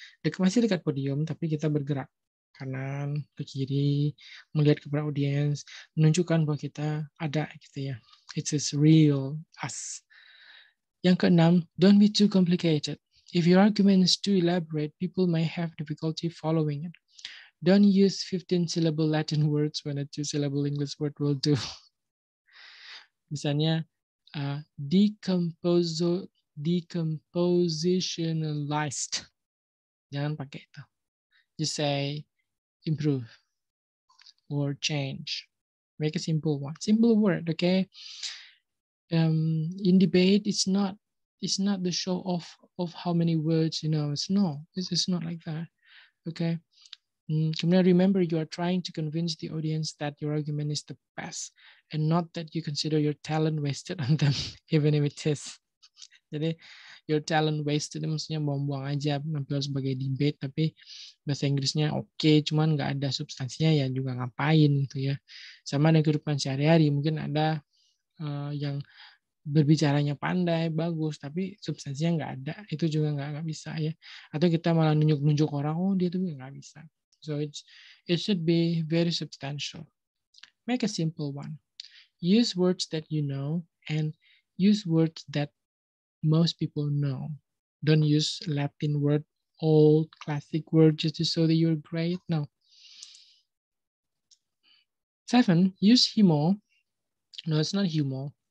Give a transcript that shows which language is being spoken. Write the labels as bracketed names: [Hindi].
[Indonesian] Masih dekat podium, tapi kita bergerak kanan ke kiri, melihat kepada audience, menunjukkan bahwa kita ada gitu ya. [English] It is real us. [Indonesian] Yang keenam, [English] don't be too complicated. If your argument is too elaborate, people may have difficulty following it. Don't use 15-syllable Latin words when a 2-syllable English word will do. [Indonesian] Misalnya, decompositionalized. Jangan pakai itu. [English] Just say improve or change. Make a simple one. Simple word, okay? In debate, it's not the show of how many words you know. It's not like that, okay? Kemudian remember, you are trying to convince the audience that your argument is the best and not that you consider your talent wasted on them, even if it is. [Indonesian] Jadi, [English] your talent wasted [Indonesian] maksudnya buang-buang aja, nampil sebagai debate, tapi bahasa Inggrisnya okay, cuman gak ada substansinya, ya juga ngapain gitu ya. Sama dengan kehidupan sehari-hari, mungkin ada yang berbicaranya pandai, bagus, tapi substansinya gak ada, itu juga gak bisa ya. Atau kita malah nunjuk-nunjuk orang, oh dia tuh gak bisa. [English] So it should be very substantial. Make a simple one. Use words that you know and use words that most people know. Don't use Latin word, old classic word just to show that you're great. No. 7, use humor No, it's not humor.